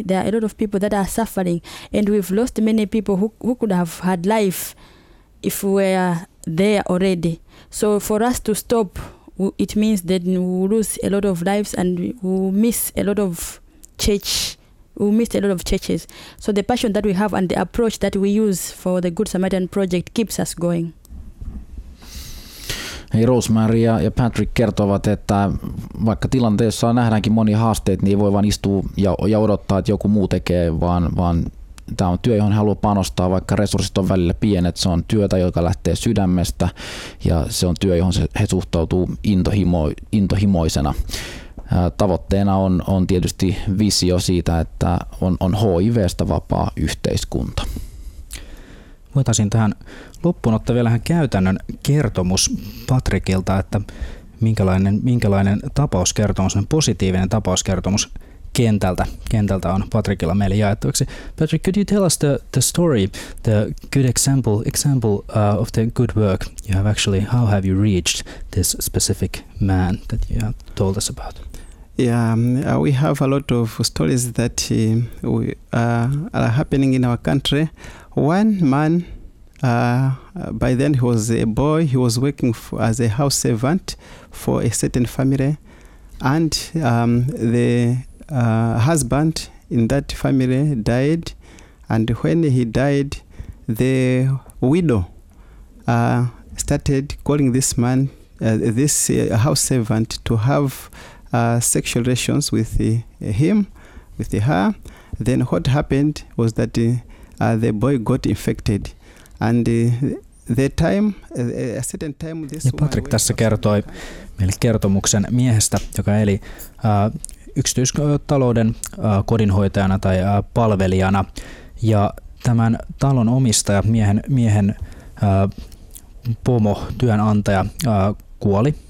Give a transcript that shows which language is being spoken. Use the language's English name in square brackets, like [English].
[English] There are a lot of people that are suffering, and we've lost many people who could have had life if we were there already. So for us to stop, it means that we lose a lot of lives, and we miss a lot of churches. So the passion that we have and the approach that we use for the Good Samaritan project keeps us going. [Finnish] Hei, Rosemaria ja Patrick kertovat, että vaikka tilanteessa nähdäänkin monia haasteita, niin ei voi vaan istua ja odottaa, että joku muu tekee, vaan tämä on työ, johon haluaa panostaa, vaikka resurssit on välillä pienet. Se on työtä, joka lähtee sydämestä, ja se on työ, johon he suhtautuu intohimoisena. Tavoitteena on tietysti visio siitä, että on HIV:stä vapaa yhteiskunta. Voitaisiin tähän loppuun ottaa vielä ihan käytännön kertomus Patrikilta, että minkälainen tapauskertomus, positiivinen tapauskertomus kentältä on Patrikilla meille jaettavaksi. [English] Patrick, could you tell us the story, the good example of the good work you have actually, how have you reached this specific man that you have told us about? Yeah, we have a lot of stories that are happening in our country. One man, by then he was a boy, he was working as a house servant for a certain family, and the husband in that family died, and when he died, the widow started calling this man, house servant, to have sexual relations with him, with her. Then what happened was that the boy got infected, and [Finnish] ja Patrick tässä kertoi meille kertomuksen miehestä, joka eli yksityistalouden kodinhoitajana tai palvelijana, ja tämän talon omistaja, miehen pomo, työnantaja, kuoli.